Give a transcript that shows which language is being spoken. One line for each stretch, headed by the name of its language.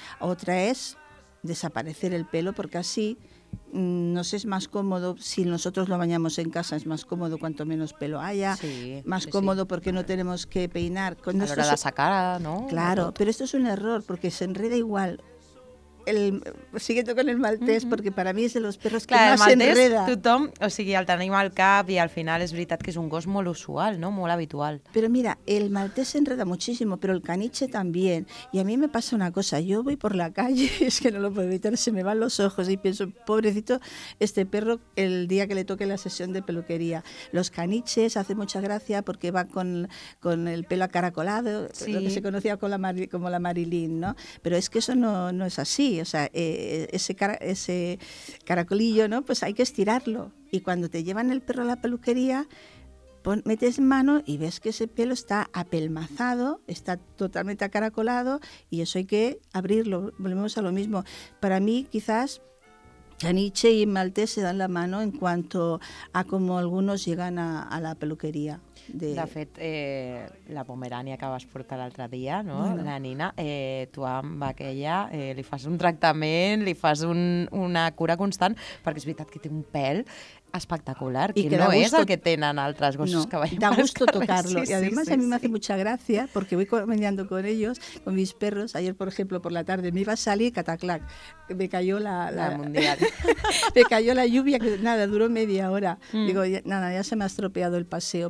Spanish: Otra es desaparecer el pelo, porque así nos es más cómodo. Si nosotros lo bañamos en casa, es más cómodo cuanto menos pelo haya. Sí, más cómodo porque no tenemos que peinar. Cuando a la hora de la sacada, ¿no? Claro, pero esto es un error, porque se enreda igual. Siguiendo con el maltés,
Catalan: perquè per a mi és
Spanish: de los perros que más enreda.
Catalan: Tothom, o sigui, el tenim al cap i al final és veritat que és un gos molt usual, no? Molt habitual. Però mira, el maltés enreda moltíssim, però el caniche també. I a mi me passa una cosa, jo vull per
Spanish: la calle, és que no lo puedo evitar, se me van los ojos y pienso, pobrecito, este perro el día que le toque la sesión de peluquería. Los caniches hacen mucha gracia porque va con el pelo acaracolado, sí. Lo que se conocía como la Marilyn, ¿no?
Catalan: Però és que
Spanish: eso no és así. Sí, o sea, ese caracolillo, ¿no? Pues hay que estirarlo. Y cuando te llevan el perro a la peluquería, metes mano y ves que ese pelo está apelmazado, está totalmente acaracolado, y eso hay que abrirlo. Volvemos a lo mismo. Para mí, quizás, caniche y maltés se dan la mano en cuanto a cómo algunos llegan a la peluquería.
Catalan: De fet, la Pomerània que vas portar l'altre dia, no? Bueno. La Nina, tu amb aquella li fas un tractament, li fas una cura constant, perquè és veritat que té un pèl
Spanish: espectacular, y que no es el que
Catalan: tenen altres gossos
Spanish: no, que vayan da gusto tocarlo. Sí, y además sí, a mí sí. Me hace mucha gracia, porque voy caminando con ellos, con mis perros. Ayer, por ejemplo, por la tarde me iba a salir, cataclac, me cayó la mundial. Me cayó la lluvia, que nada, duró media hora. Digo, ya se me ha estropeado el paseo.